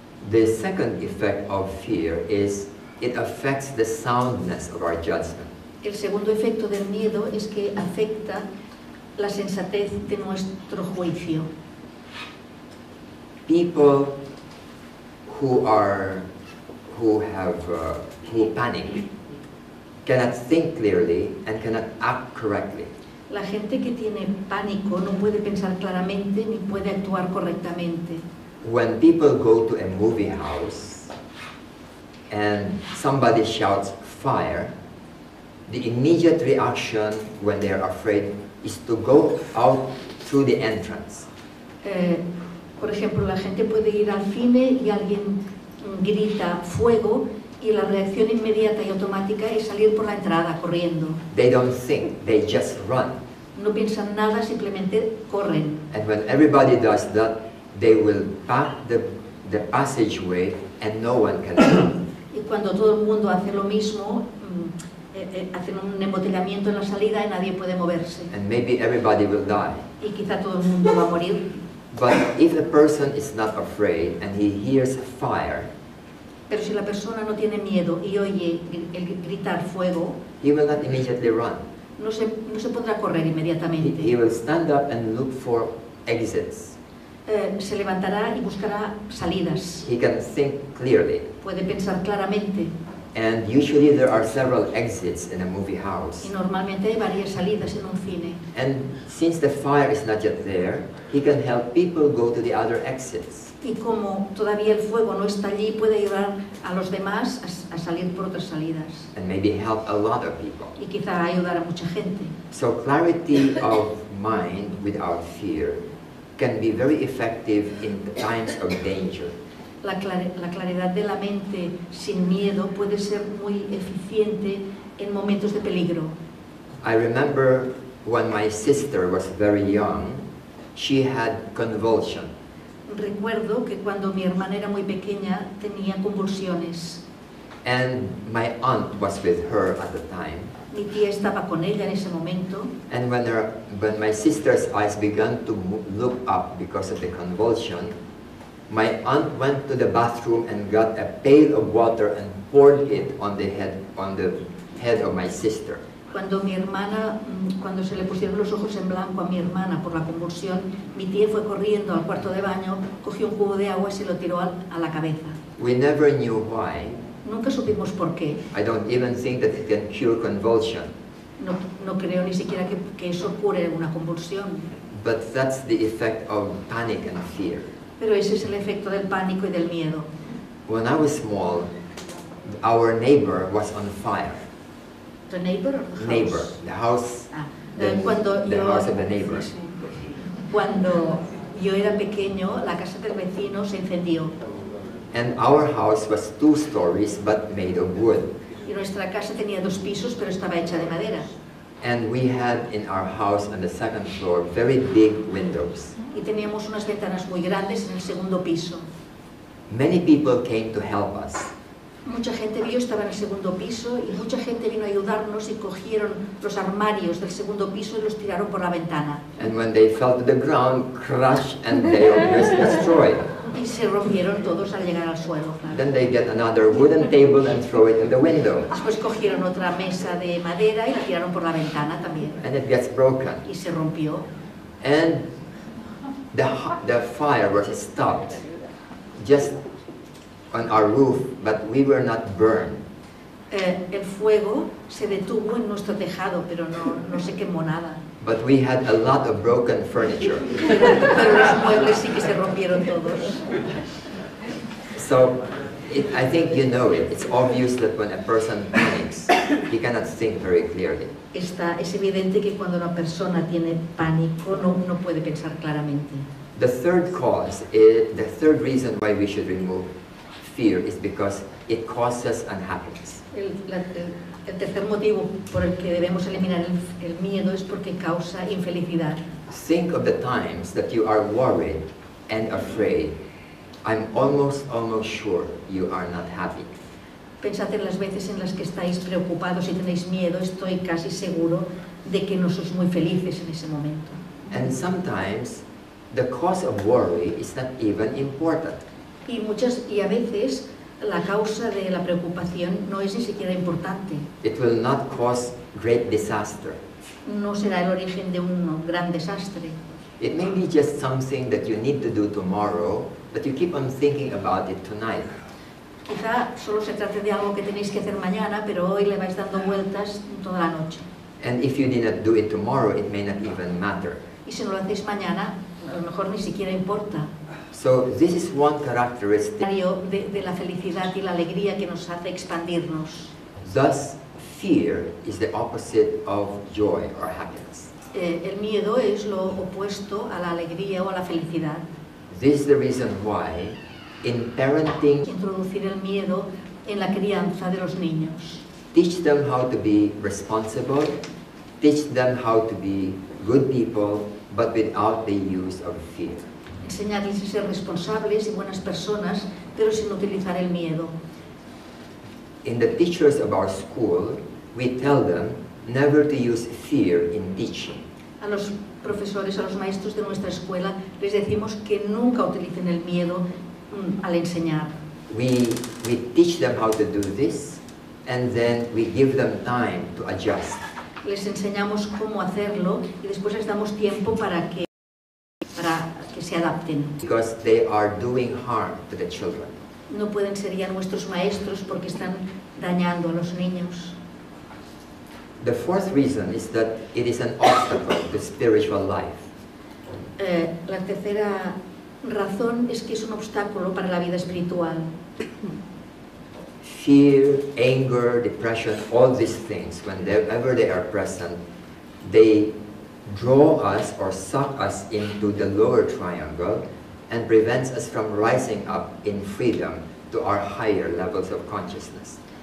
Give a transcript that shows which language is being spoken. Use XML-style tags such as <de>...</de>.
<en>The second effect of fear is it affects the soundness of our judgment.</en> <es>El segundo efecto del miedo es que afecta la sensatez de nuestro juicio.</es> <en>People who panic cannot think clearly and cannot act correctly.</en> <es>La gente que tiene pánico no puede pensar claramente ni puede actuar correctamente.</es> <en>When people go to a movie house and somebody shouts fire, the immediate reaction when they are afraid is to go out through the entrance.</en> <es>Por ejemplo, la gente puede ir al cine y alguien grita fuego y la reacción inmediata y automática es salir por la entrada corriendo.</es> <en>They don't think, they just run.</en> <es>No piensan nada, simplemente corren.</es> <en>And when everybody does that, they will pack the passageway and no one can come.</en> <es>cuando todo el mundo hace lo mismo, hacen un embotellamiento en la salida y nadie puede moverse.</es> <en>And maybe everybody will die.</en> <es>Y quizá todo el mundo va a morir.</es> <en>But if a person is not afraid and he hears fire,</en> <es>pero si la persona no tiene miedo y oye el gritar fuego,</es> <en>he will not immediately run.</en> <es>No se podrá correr inmediatamente.</es> <en>He will stand up and look for exits.</en> <es>Se levantará y buscará salidas.</es> <en>He can think clearly.</en> <es>Puede pensar claramente.</es> <en>And usually there are several exits in a movie house.</en> <es>Y normalmente hay varias salidas en un cine.</es> <en>And since the fire is not yet there, he can help people go to the other exits.</en> <es>Y como todavía el fuego no está allí, puede ayudar a los demás a salir por otras salidas.</es> <en>And maybe help a lot of people.</en> <es>Y quizá ayudar a mucha gente.</es> <en>So clarity of mind without fear can be very effective in times of danger.</en> <es>La claridad de la mente sin miedo puede ser muy eficiente en momentos de peligro.</es> <en>I remember when my sister was very young, she had convulsion.</en> <es>Recuerdo que cuando mi hermana era muy pequeña tenía convulsiones.</es> <en>And my aunt was with her at the time.</en> <es>Mi tía estaba con ella en ese momento.</es> <en>And when my sister's eyes began to look up because of the convulsion, my aunt went to the bathroom and got a pail of water and poured it on the head of my sister.</en> <es>Cuando se le pusieron los ojos en blanco a mi hermana por la convulsión, mi tía fue corriendo al cuarto de baño, cogió un cubo de agua y se lo tiró a la cabeza.</es> <en>We never knew why.</en> <es>Nunca supimos por qué.</es> <en>I don't even think that it can cure convulsion.</en> <es>No creo ni siquiera que eso cure una convulsión.</es> <en>But that's the effect of panic and fear.</en> <es>Pero ese es el efecto del pánico y del miedo.</es> <en>When I was small, our neighbor was on fire. The neighbor or the house? Neighbor, the house, house of the neighbor.</en> <es>Sí, sí. Cuando yo era pequeño, la casa del vecino se incendió.</es> <en>And our house was two stories, but made of wood.</en> <es>Y nuestra casa tenía dos pisos, pero estaba hecha de madera.</es> <en>And we had in our house on the second floor very big windows.</en> <es>Y teníamos unas ventanas muy grandes en el segundo piso.</es> <en>Many people came to help us.</en> <es>Mucha gente vio, estaba en el segundo piso, y mucha gente vino a ayudarnos y cogieron los armarios del segundo piso y los tiraron por la ventana.</es> <en>And when they fell to the ground, crash, and they almost destroyed.</en> <es>Y se rompieron todos al llegar al suelo. Claro.</es> <en>Then they get another wooden table and throw it in the window.</en> <es>Después cogieron otra mesa de madera y la tiraron por la ventana también.</es> <en>And it gets broken.</en> <es>Y se rompió.</es> <en>And the fire was stopped. Just on our roof, but we were not burned.</en> <es>El fuego se detuvo en nuestro tejado, pero no se quemó nada.</es> <en>But we had a lot of broken furniture.</en> <es>Pero los muebles sí que se rompieron todos.</es> <en>So, I think you know it. It's obvious that when a person panics, he cannot think very clearly.</en> <es>Es evidente que cuando una persona tiene pánico, no puede pensar claramente.</es> <en>The third cause, the third reason why we should remove fear is because it causes unhappiness.</en> <es>El tercer motivo por el que debemos eliminar el miedo es porque causa infelicidad.</es> <en>Think of the times that you are worried and afraid. I'm almost sure you are not happy.</en> <es>Pensad en las veces en las que estáis preocupados y tenéis miedo. Estoy casi seguro de que no sois muy felices en ese momento.</es> <en>And sometimes the cause of worry is not even important.</en> <es>Y a veces la causa de la preocupación no es ni siquiera importante.</es> <en>It will not cause great disaster.</en> <es>No será el origen de un gran desastre.</es> <en>It may be just something that you need to do tomorrow, but you keep on thinking about it tonight.</en> <es>Quizá solo se trate de algo que tenéis que hacer mañana, pero hoy le vais dando vueltas toda la noche.</es> <en>And if you did not do it tomorrow, it may not even matter.</en> <es>Y si no lo hacéis mañana, a lo mejor ni siquiera importa.</es> <en>So this is one characteristic</en> <es>de la felicidad y la alegría que nos hace expandirnos.</es> <en>Thus, fear is the opposite of joy or happiness.</en> <es>El miedo es lo opuesto a la alegría o a la felicidad.</es> <en>This is the reason why in parenting,</en> <es>introducir el miedo en la crianza de los niños.</es> <en>Teach them how to be responsible, teach them how to be good people, but without the use of fear.</en> <es>Enseñarles a ser responsables y buenas personas, pero sin utilizar el miedo.</es> <en>in the teachers of our school, we tell them never to use fear in teaching.</en> <es>A los profesores, a los maestros de nuestra escuela, les decimos que nunca utilicen el miedo al enseñar.</es> <en>We teach them how to do this, and then we give them time to adjust.</en> <es>Les enseñamos cómo hacerlo y después les damos tiempo para que se adapten.</es> <en>Because they are doing harm to the children.</en> <es>No pueden ser ya nuestros maestros porque están dañando a los niños.</es> <en>The fourth reason is that it is an obstacle to spiritual life.</en> <es>La tercera razón es que es un obstáculo para la vida espiritual.</es> <en>Fear, anger, depression, all these things, whenever they are present, they draw us or suck us into the lower triangle and prevents us from rising up in freedom to our higher levels of consciousness.</en>